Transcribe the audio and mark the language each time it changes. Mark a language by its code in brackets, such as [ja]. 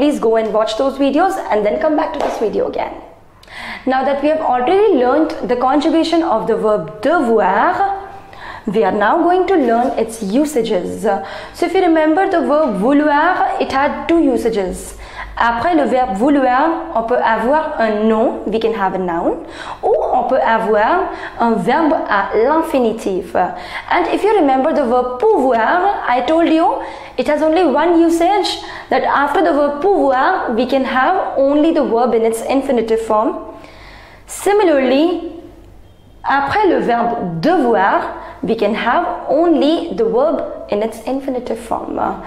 [en] Please go and watch those videos and then come back to this video again. Now that we have already learned the conjugation of the verb devoir, we are now going to learn its usages. So if you remember the verb vouloir, it had two usages. [fr] Après le verbe vouloir, on peut avoir un nom, [en] we can have a noun, [fr] ou on peut avoir un verbe à l'infinitif. [en] And if you remember the verb pouvoir, I told you, it has only one usage, that after the verb pouvoir, we can have only the verb in its infinitive form. Similarly, [fr] après le verbe devoir, [en] we can have only the verb in its infinitive form.